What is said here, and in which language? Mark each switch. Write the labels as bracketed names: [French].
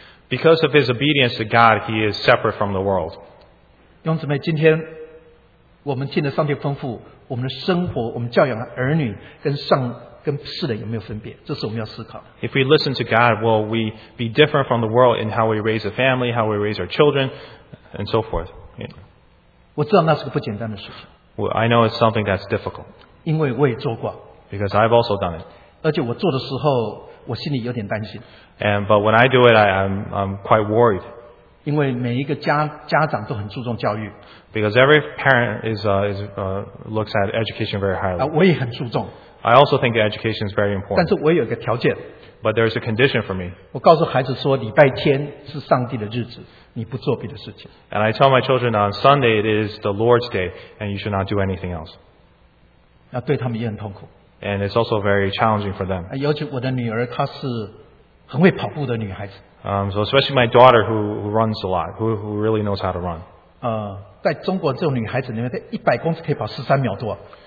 [English] Because of his obedience to God, he is separate from the world. [Chinese] 弟兄姊妹今天 我们听了上帝吩咐, 我们的生活, 我们教养的儿女, 跟世人有没有分别, [English] if we listen to God, will we be different from the world in how we raise a family, how we raise our children, and so forth? Yeah. Well, I know it's something that's difficult. Because I've also done it. [Chinese] 而且我做的时候, [English] and, but when I do it, I'm quite worried. [Chinese] 因为每一个家长都很注重教育. [English] Because every parent looks at education very highly. [Chinese] 我也很注重. [English] I also think education is very important. [Chinese] 但是我有一个条件. [English] But there's a condition for me. [Chinese] 我告诉孩子说, 礼拜天是上帝的日子, 你不做别的事情. [English] And I tell my children on Sunday it is the Lord's day and you should not do anything else. [Chinese] 对他们也很痛苦. [English] And it's also very challenging for them. [Chinese] 尤其我的女儿她是很会跑步的女孩子。 [English] So especially my daughter who runs a lot, who really knows how to run. [Chinese] 在中国这种女孩子里面，她100公尺可以跑13秒多。